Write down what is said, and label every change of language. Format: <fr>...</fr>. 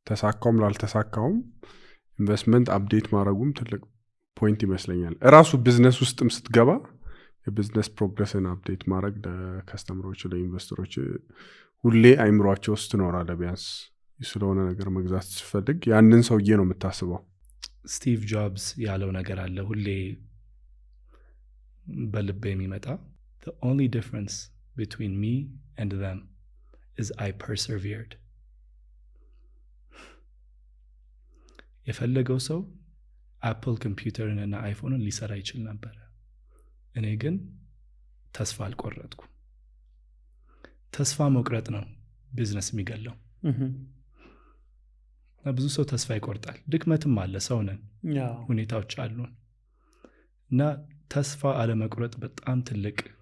<am>ተሳካውም ላልተሳካውም ኢንቨስትመንት አፕዴት ማድረጉም ትልቅ ፖይንት ይመስለኛል። እራሱ ቢዝነስ ውስጥም ስትገባ የቢዝነስ ፕሮግረስን አፕዴት ማድረግ ለከስተመሮች ለኢንቨስተሮች ሁሌ አይምሯቸው ውስጥ ኖራለ። ቢያንስ ስለሆነ ነገር መግዛት ስትፈልግ ያንን ሰውዬ ነው የምታስበው። ስቲቭ ጆብስ ያለው ነገር አለ ሁሌ በልቤ የሚመጣ</am> <en>the only difference between me and them is I persevered.</en> <am>የፈለገው ሰው አፕል ኮምፒውተርን እና አይፎንን ሊሰራ ይችል ነበር። እኔ ግን ተስፋ አልቆረጥኩ። ተስፋ መቁረጥ ነው ቢዝነስ የሚገለው። እና ብዙ ሰው ተስፋ ይቆርጣል። ድክመትም አለ ሰው ነን። ሁኔታዎች አሉ። እና ተስፋ አለመቁረጥ በጣም ትልቅ</am>